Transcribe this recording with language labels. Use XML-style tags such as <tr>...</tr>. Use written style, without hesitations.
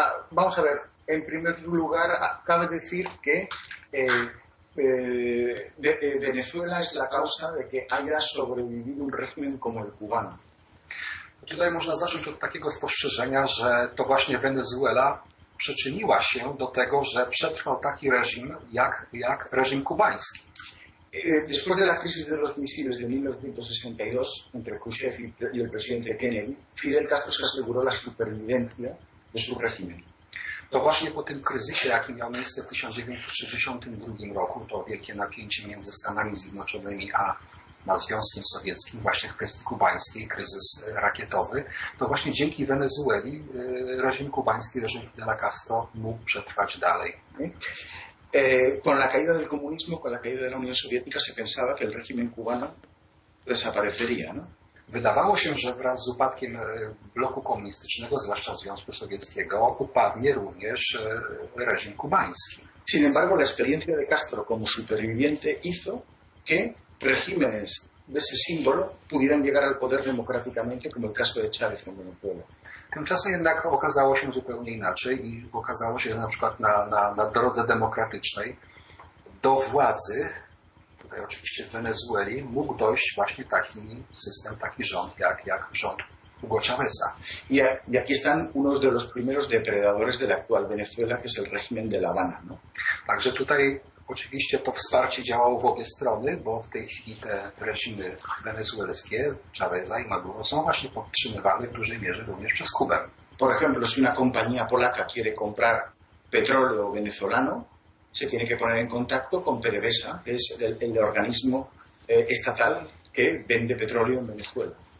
<es>Vamos a ver, en primer lugar, cabe decir que Venezuela es la causa de que haya sobrevivido un régimen como el cubano.</es> <pl>Tutaj można zacząć od takiego spostrzeżenia, że to właśnie Wenezuela przyczyniła się do tego, że przetrwał taki reżim jak reżim kubański.</pl> <es>Después de la crisis de los misiles de 1962 entre Khrushchev y el presidente Kennedy, Fidel Castro se aseguró la supervivencia de su régimen.</es> <pl>To właśnie po tym kryzysie, jaki miał miejsce w 1962 roku, to wielkie napięcie między Stanami Zjednoczonymi a Związkiem Sowieckim, właśnie w kwestii kubańskiej, kryzys rakietowy, to właśnie dzięki Wenezueli reżim kubański, reżim Fidela Castro mógł przetrwać dalej.</pl> <es>Con la caída del comunismo, con la caída de la Unión Soviética se pensaba que el régimen cubano desaparecería, no?</es> <pl>Wydawało się, że wraz z upadkiem bloku komunistycznego, zwłaszcza Związku Sowieckiego, upadnie również reżim kubański.</pl> <es>Sin embargo, la experiencia de Castro como superviviente hizo que regímenes de ese símbolo pudieran llegar al poder democráticamente, como el caso de Chávez en Venezuela.</es> <pl>Tymczasem jednak okazało się zupełnie inaczej i okazało się, że na przykład na drodze demokratycznej do władzy, tutaj oczywiście w Wenezueli, mógł dojść właśnie taki system, taki rząd jak rząd Hugo Chávez'a.</pl> <es>Y aquí están unos de los primeros depredadores de la actual Venezuela, que es el régimen de La Habana, ¿no?</es> <pl>Także tutaj oczywiście to wsparcie działało w obie strony, bo w tej chwili te reżimy wenezuelskie, Chaveza i Maduro, są właśnie podtrzymywane w dużej mierze również przez Kubę.</pl> <es>Por ejemplo, si una compañía polaca quiere comprar petróleo venezolano, se tiene que poner en contacto con PDVSA, que es el organismo estatal que vende petróleo en Venezuela.</es>